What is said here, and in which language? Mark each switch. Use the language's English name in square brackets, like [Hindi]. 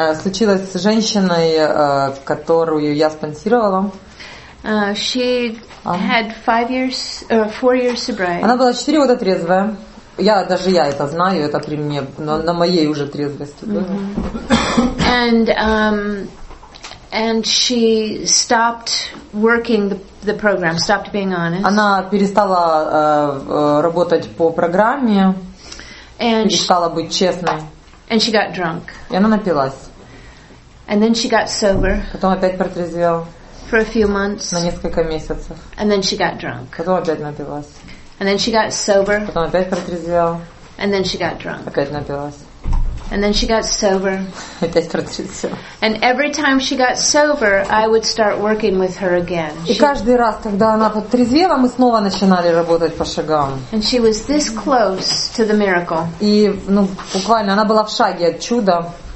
[Russian] Случилось с женщиной, которую я спонсировала. [English] She had 5 years, 4 years sobriety. [Russian] Она была 4 года трезвая. Я это знаю, это при мне, на моей уже трезвости. Mm-hmm. [English] And she stopped working the program, stopped being honest. [Russian] Она перестала работать по программе. [English] And [Russian] перестала быть честной. [English] And she got drunk. [Russian] И она напилась. [English] And then she got sober. [Russian] Потом опять протрезвела. [English] For a few months. [Russian] На несколько месяцев. [English] And then she got drunk. [Russian] Потом опять напилась. [English] And then she got sober. [Russian] Потом опять протрезвела. [English] And then she got drunk. [Russian] Опять напилась. [English] And then she got sober. [Russian] Опять протрезвела. [English] And every time she got sober, I would start working with her again. [Russian] И каждый раз, когда она протрезвела, мы снова начинали работать по шагам. [English] And she was this close to the miracle. [Russian] И, ну, буквально, она была в шаге от чуда.